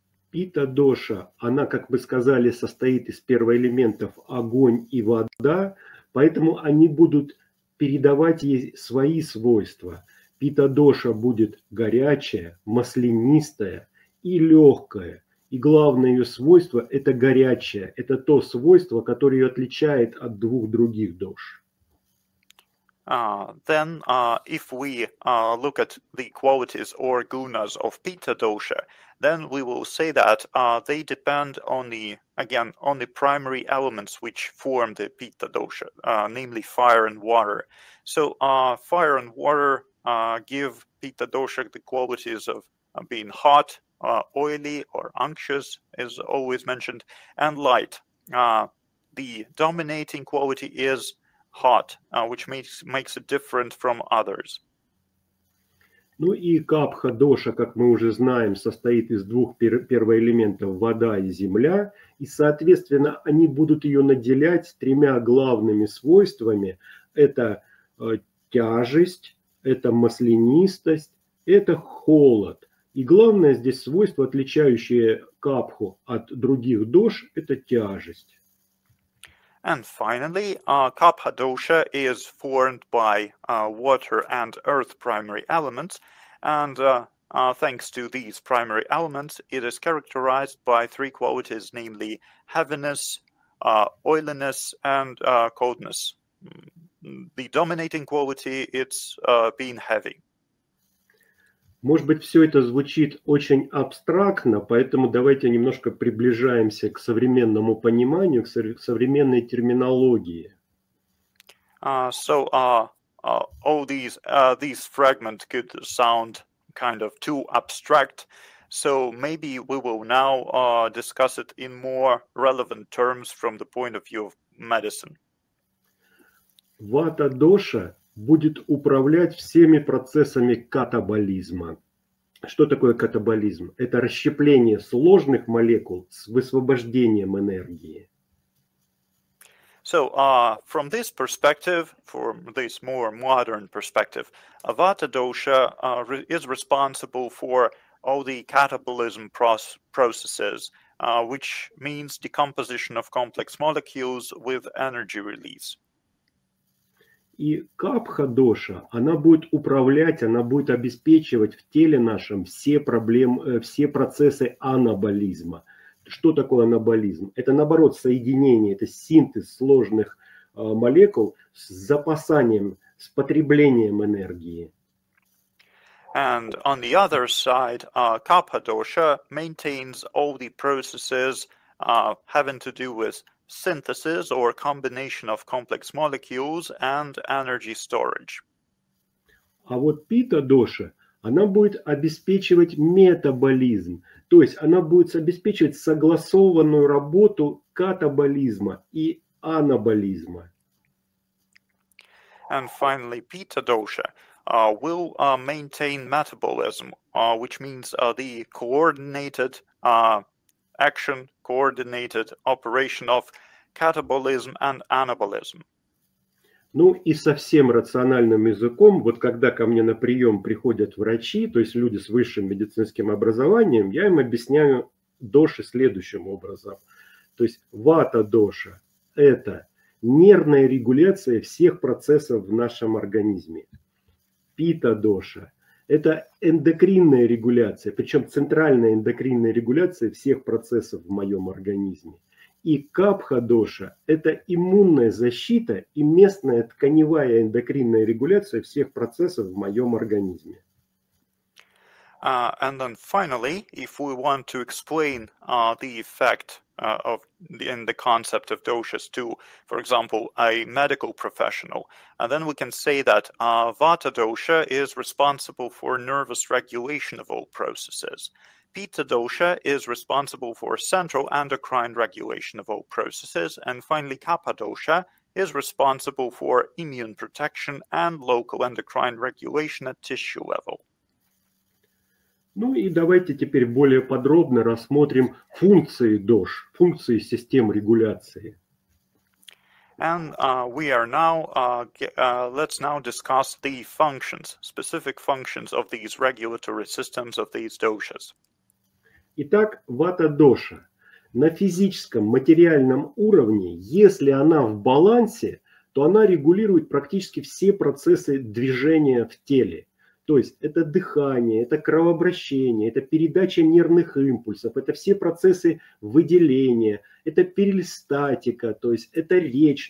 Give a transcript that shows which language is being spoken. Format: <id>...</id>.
<ru>Pitta dosha, она, как мы сказали, состоит из первоэлементов огонь и вода, поэтому они будут передавать ей свои свойства. Pitta dosha будет горячая, маслянистая и легкая. И главное ее свойство – это горячее. Это то свойство, которое ее отличает от двух других дош.</ru> <en>If we look at the qualities or gunas of Pitta dosha, then we will say that they depend on the, again, on the primary elements which form the Pitta dosha, namely fire and water. Fire and water give Pitta dosha the qualities of being hot, oily or unctuous is always mentioned, and light. The dominating quality is hot, which makes it different from others.</en> <ru>Ну и капха доша, как мы уже знаем, состоит из двух первоэлементов – вода и земля. И, соответственно, они будут ее наделять тремя главными свойствами. Это тяжесть, это маслянистость, это холод. И главное здесь свойство, отличающее капху от других дош, это тяжесть.</ru> <en>And finally, kapha dosha is formed by water and earth primary elements, and thanks to these primary elements, it is characterized by three qualities, namely heaviness, oiliness, and coldness. The dominating quality, it's being heavy.</en> <ru>Может быть, все это звучит очень абстрактно, поэтому давайте немножко приближаемся к современному пониманию, к современной терминологии.</ru> <en>All these fragments could sound kind of too abstract. So maybe we will now discuss it in more relevant terms from the point of view of medicine.</en> <ru>Вата доша будет управлять всеми процессами катаболизма. Что такое катаболизм? Это расщепление сложных молекул с высвобождением энергии.</ru> <en>From this perspective, from this more modern perspective, Vata dosha is responsible for all the catabolism processes, which means decomposition of complex molecules with energy release.</en> <ru>И капха доша, она будет управлять, она будет обеспечивать в теле нашем все процессы анаболизма. Что такое анаболизм? Это наоборот соединение, это синтез сложных молекул с запасанием, с потреблением энергии.</ru> <en>And on the other side, капха доша maintains all the processes having to do with synthesis or combination of complex molecules and energy storage.</en> <ru>А вот Pitta dosha, она будет обеспечивать метаболизм, то есть она будет обеспечивать согласованную работу катаболизма и анаболизма.</ru> <en>And finally, Pitta dosha will maintain metabolism, which means the coordinated action, coordinated operation of catabolism and anabolism.</en> <ru>Ну и совсем рациональным языком, вот когда ко мне на прием приходят врачи, то есть люди с высшим медицинским образованием, я им объясняю доши следующим образом. То есть вата доша – это нервная регуляция всех процессов в нашем организме. Пита-доша. Это эндокринная регуляция, причем центральная эндокринная регуляция всех процессов в моем организме. И капха-доша – это иммунная защита и местная тканевая эндокринная регуляция всех процессов в моем организме.</ru> <en>And then finally, if we want to explain the effect of and the concept of doshas to, for example, a medical professional, and then we can say that vata dosha is responsible for nervous regulation of all processes. Pitta dosha is responsible for central endocrine regulation of all processes. And finally, kapha dosha is responsible for immune protection and local endocrine regulation at tissue level.</en> <ru>Ну и давайте теперь более подробно рассмотрим функции ДОШ, функции систем регуляции.</ru> <en>And we are now, let's now discuss the functions, specific functions of these regulatory systems of these doshas.</en> <ru>Итак, вата-доша. На физическом, материальном уровне, если она в балансе, то она регулирует практически все процессы движения в теле. То есть это дыхание, это кровообращение, это передача нервных импульсов, это все процессы выделения, это перистальтика, то есть это речь.</ru>